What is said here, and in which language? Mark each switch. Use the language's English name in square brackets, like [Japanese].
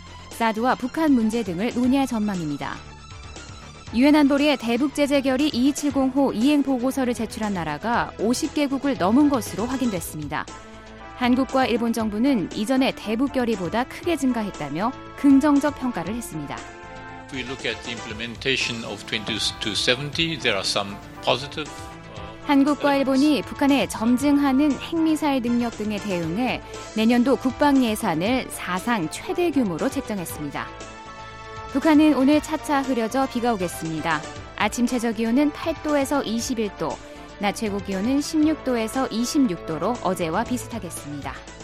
[Korean] 사드와 북한 문제 등을 논의할 전망입니다. 유엔 안보리의 대북 제재 결의 2270호 이행 보고서를 제출한 나라가 50개국을 넘은 것으로 확인됐습니다. 한국과 일본 정부는 이전의 대북 결의보다 크게 증가했다며 긍정적 평가를 했습니다. [English] If we look at the implementation of 2270, there are some positive. [Korean] 한국과 일본이 북한의 점증하는 핵미사일 능력 등에 대응해 내년도 국방 예산을 사상 최대 규모로 책정했습니다. 북한은 오늘 차차 흐려져 비가 오겠습니다. 아침 최저 기온은 8도에서 21도, 낮 최고 기온은 16도에서 26도로 어제와 비슷하겠습니다.